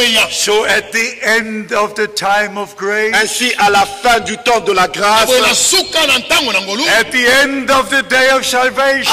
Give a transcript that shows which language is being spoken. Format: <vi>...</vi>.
<en>So at the end of the time of grace,</en> <fr>ainsi à la fin du temps de la grâce,</fr> <en>at the end of the day of salvation,</en>